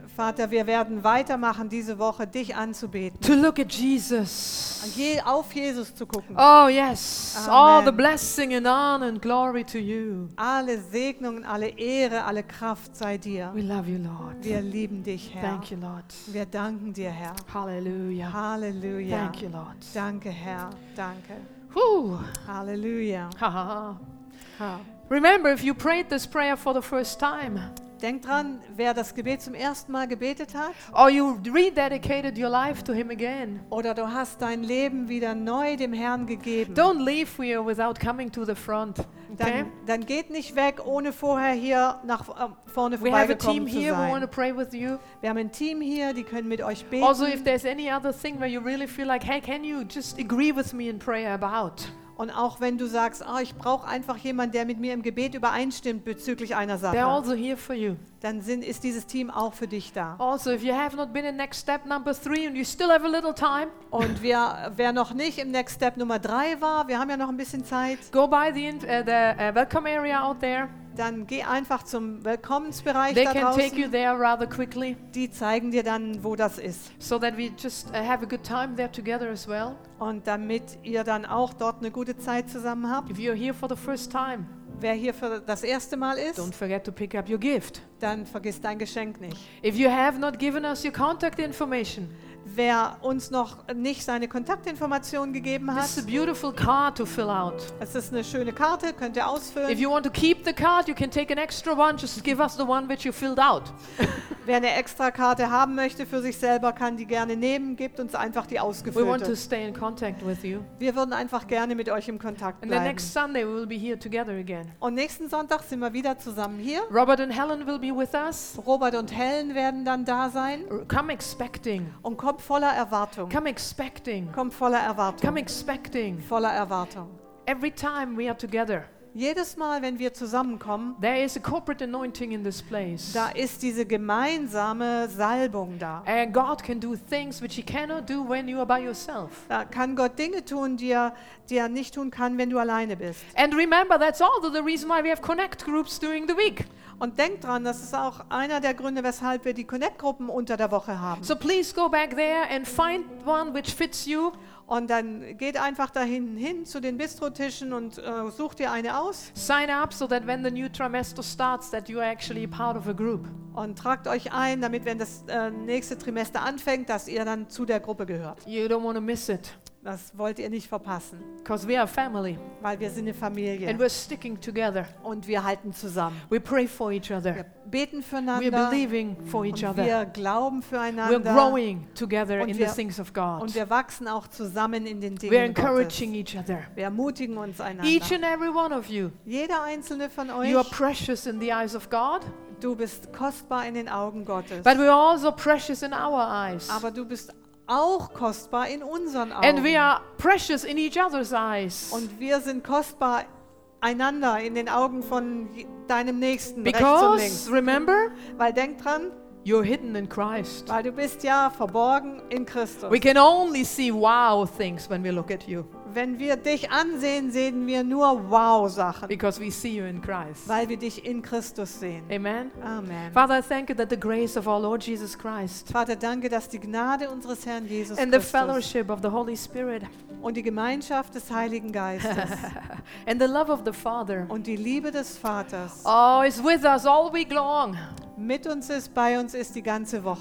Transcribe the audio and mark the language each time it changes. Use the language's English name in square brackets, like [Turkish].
[German] Vater, wir werden weitermachen diese Woche, dich anzubeten. [English] To look at Jesus. [German] Auf Jesus zu gucken. [English] Oh yes. Amen. All the blessing and honor and glory to you. [German] Alle Segnungen, alle Ehre, alle Kraft sei dir. [English] We love you, Lord. [German] Wir lieben dich, Herr. [English] Thank you, Lord. [German] Wir danken dir, Herr. [English] Hallelujah. Hallelujah. Thank you, Lord. [German] Danke, Herr. Danke. Whew. [English] Hallelujah. Ha, ha, ha. Ha. Remember, if you prayed this prayer for the first time. [German] Denk dran, wer das Gebet zum ersten Mal gebetet hat. [English] Or you rededicated your life to him again. [German] Oder du hast dein Leben wieder neu dem Herrn gegeben. [English] Don't leave here without coming to the front. Okay? [German] Dann geht nicht weg, ohne vorher hier nach vorne vorbeigekommen zu sein. [English] Pray with you. [German] Wir haben ein Team hier, die können mit euch beten. [English] Also if there's any other thing where you really feel like, hey, can you just agree with me in prayer about? [German] Und auch wenn du sagst, oh, ich brauche einfach jemanden, der mit mir im Gebet übereinstimmt bezüglich einer Sache. [English] They're also here for you. [German] Dann ist dieses Team auch für dich da. [English] Also, if you have not been in next step number 3 and you still have a little time. [German] Und wer noch nicht im next step Nummer 3 war, wir haben ja noch ein bisschen Zeit. [English] Go by the welcome area out there. [German] Dann geh einfach zum Willkommensbereich [English] they [German] da draußen. [English] They can take you there rather quickly. [German] Die zeigen dir dann, wo das ist. [English] So that we just have a good time there together as well. [German] Und damit ihr dann auch dort eine gute Zeit zusammen habt. [English] If you're here for the first time. [German] Wer hier für das erste Mal ist, [English] don't forget to pick up your gift. [German] Dann vergiss dein Geschenk nicht. [English] If you have not given us your contact information. [German] Wer uns noch nicht seine Kontaktinformationen gegeben hat. [English] This is a beautiful card to fill out. [German] Es ist eine schöne Karte, könnt ihr ausfüllen. [English] If you want to keep the card, you can take an extra one, just give us the one which you filled out. [German] Wer eine extra Karte haben möchte für sich selber, kann die gerne nehmen, gibt uns einfach die ausgefüllte. [English] We want to stay in contact with you. [German] Wir würden einfach gerne mit euch im Kontakt bleiben. [English] And the next Sunday we will be here together again. [German] Und nächsten Sonntag sind wir wieder zusammen hier. [English] Robert and Helen will be with us. [German] Robert und Helen werden dann da sein. [English] Come expecting. [German] Und kommt voller Erwartung. [English] Come expecting. [German] Kommt voller Erwartung. [English] Come expecting. [German] Voller Erwartung. [English] Every time we are together. [German] Jedes Mal, wenn wir zusammenkommen, [English] there is a corporate anointing in this place. [German] Da ist diese gemeinsame Salbung da. [English] And God can do things which he cannot do when you are by yourself. [German] Da kann Gott Dinge tun, die er nicht tun kann, wenn du alleine bist. [English] And remember, that's also the reason why we have connect groups during the week. [German] Und denk dran, das ist auch einer der Gründe, weshalb wir die Connect-Gruppen unter der Woche haben. [English] So please go back there and find one which fits you. [German] Und dann geht einfach da hin zu den Bistrotischen und sucht dir eine aus. [English] Sign up so that when the new trimester starts that you are actually part of a group. [German] Und tragt euch ein, damit wenn das nächste Trimester anfängt, dass ihr dann zu der Gruppe gehört. [English] You don't want to miss it. [German] Das wollt ihr nicht verpassen. [English] Because we are family. [German] Weil wir sind eine Familie. [English] And we're sticking together. [German] Und wir halten zusammen. [English] We pray for each other. [German] Wir beten füreinander. [English] We're believing for each [German] und [English] other. [German] Wir glauben füreinander. [English] We're growing together in the things of God. [German] Und wir wachsen auch zusammen in den Dingen [English] Gottes. We're encouraging [German] Gottes. [English] Each other. [German] Wir ermutigen uns einander. [English] Each and every one of you. [German] Jeder einzelne von euch. [English] You are precious in the eyes of God. [German] Du bist kostbar in den Augen Gottes. [English] But we're also precious in our eyes. [German] Aber du bist auch kostbar in unseren Augen. [English] And we are precious in each other's eyes. [German] Und wir sind kostbar einander in den Augen von deinem Nächsten. [English] Because, [German] rechts und links. [English] Remember, [German] weil denk dran, [English] you're hidden in Christ. [German] Weil du bist ja verborgen in Christus. [English] We can only see wow things when we look at you. [German] wenn wir dich ansehen, sehen wir nur Wow-Sachen. [English] Because we see you in Christ. [German] Weil wir dich in Christus sehen. [English] Amen. [German] Amen. [English] Father, thank you that the grace of our Lord Jesus Christ. [German] Vater, danke, dass die Gnade unseres Herrn Jesus [English] Christus. And the fellowship of the Holy Spirit. [German] Und die Gemeinschaft des Heiligen Geistes. [English] And the love of the Father. [German] Und die Liebe des Vaters. [English] Oh, is with us all week long. [German] Mit uns ist, bei uns ist die ganze Woche.